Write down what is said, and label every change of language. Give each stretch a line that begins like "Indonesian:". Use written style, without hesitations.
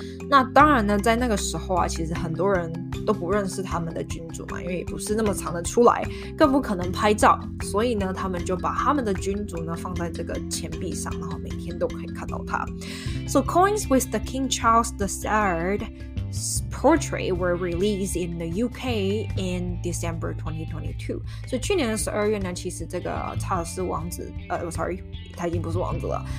Chinese: 那当然呢，在那个时候啊，其实很多人都不认识他们的君主嘛，因为也不是那么常的出来，更不可能拍照，所以呢，他们就把他们的君主呢放在这个钱币上，然后每天都可以看到他。
English: So coins with the King Charles III. Portrait were released in the UK in December 2022.
Chinese: 所以去年的12月呢，其实这个查尔斯王子，他已经不是王子了。